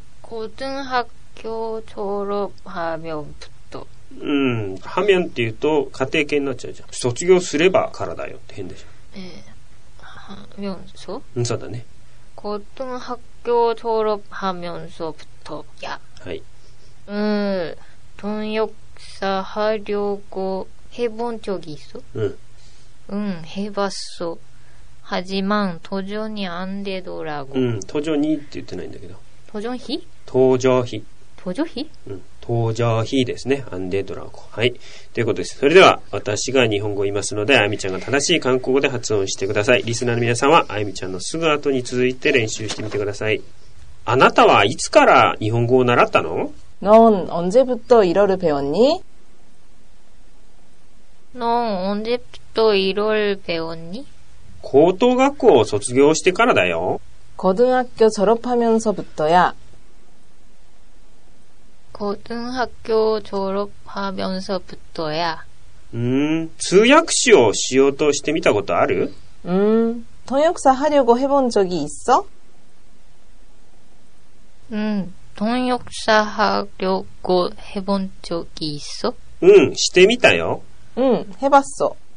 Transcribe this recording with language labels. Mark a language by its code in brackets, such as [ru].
[ko] 고등학교졸업하면부터。 하면 [ja] っていうと家庭系になっちゃうじゃん。卒業すればからだよって変でしょ。 [ko] 하면서？ [ja] そうだね。 [ko] 고등학교졸업하면서부터야。 [ja] はい。 [ko] 통역사하려고해본적있어？ 해봤어。 하지만도전히안되더라고。 도전히 [ja] って言ってないんだけど。 [ko] 도전히？ 도저히。 도저히？ 응。 [ja] 登場日ですね。アンデドラゴン。はい。ということです。それでは、私が日本語を言いますので、あゆみちゃんが正しい韓国語で発音してください。リスナーの皆さんは、あゆみちゃんのすぐ後に続いて練習してみてください。あなたはいつから日本語を習ったの？ [ko] 넌언제부터이럴배웠니？ 넌언제부터이럴배웠니？ [ja] 高等学校を卒業してからだよ。 [ko] 고등학교졸업하면서부터야。 고등학교졸업하면서부터야。 [ja] 通訳士をしようとしてみたことある？ [ko] 통역사하려고해본적이있어？ 통역사하려고해본적이있어？ [ja] してみたよ。 [ko] 해봤어。